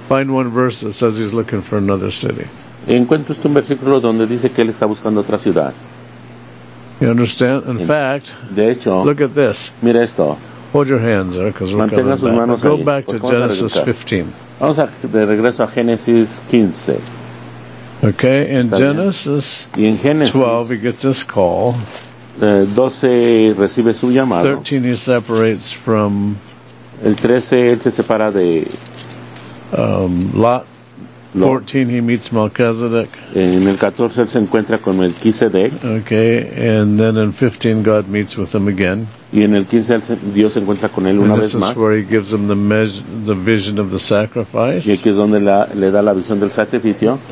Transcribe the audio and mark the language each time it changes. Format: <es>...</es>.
<en>Find one verse that says he's looking for another city.</en> <es>Encuentro un versículo donde dice que él está buscando otra ciudad.</es> <en>You understand? In fact,</en> <es>de hecho,</es> <en>look at this.</en> <es>Mira esto.</es> <en>Hold your hands there, because we're</en> <es>Mantenga</es> <en>coming back.</en> <es>Ahí.</es> <en>Go back to Genesis 15.</en> <es>Vamos a de regreso a Génesis 15.</es> <en>Okay, in Genesis,</en> <es>y en Genesis</es> <en>12, he gets this call.</en> <es>12 recibe su llamado.</es> <en>13, he separates from...</en> <es>El 13, él se separa de...</es> <en>Lot. 14, he meets Melchizedek.</en> <es>En el 14, él se encuentra con Melquisedec.</es> <en>Okay, and then in 15, God meets with him again.</en> <es>Y en el 15, Dios se encuentra con él una vez más.</es> <en>This is where he gives him the vision of the sacrifice.</en> <es>Y aquí es donde le da la visión del sacrificio.</es>